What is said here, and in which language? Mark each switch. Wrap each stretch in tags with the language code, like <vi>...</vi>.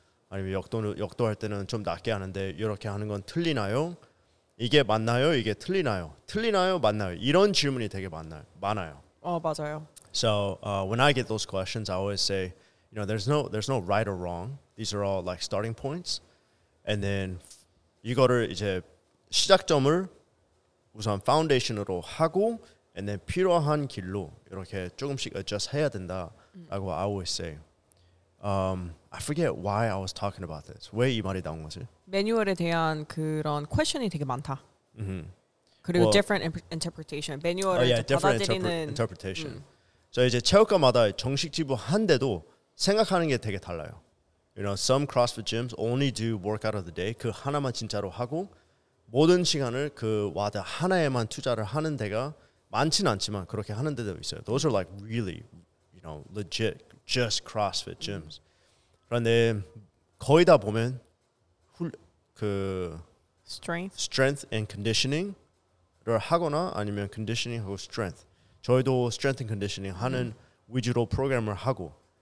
<ko>아니면 역도 할 때는 좀 낮게 하는데 이렇게 하는 건 틀리나요? 이게 맞나요? 이게 틀리나요? 틀리나요? 맞나요? 이런 질문이 되게 많아요. 맞아요.</ko> <en>So when I get those questions, I always say, you know, there's no right or wrong. These are all like starting points. And then</en> <ko>이거를 이제 시작점을 우선</ko> <en>foundation으로 하고 and then</en> <ko>필요한 길로 이렇게 조금씩</ko> <en>adjust</en> <ko>해야 된다라고</ko> <en>I always say. I forget why I was talking about this.</en> <ko>왜 이 말이 나온 거지? 매뉴얼에 대한 그런 question이 되게 많다. Mm-hmm. 그리고</ko> <en>well, different interpretation.</en> <ko>매뉴얼을 받아들이는 interpretation. 저 이제 체육관마다 정식 지부 한데도 생각하는 게 되게 달라요.</ko> <en>You know, some CrossFit gyms only do workout of the day.</en> <ko>그 하나만 진짜로 하고 모든 시간을 그 와드 하나에만 투자를 하는 데가 많지는 않지만 그렇게 하는 데도 있어요.</ko> <en>Those are like really, you know, legit just CrossFit gyms.</en> <ko>그런데 거의 다 보면 그</ko> <en>strength and conditioning</en> <ko>를 하거나 아니면</ko> <en>conditioning하고 strength.</en> <ko>저희도 strength and conditioning 하는 위주로 프로그램을 하고.</ko>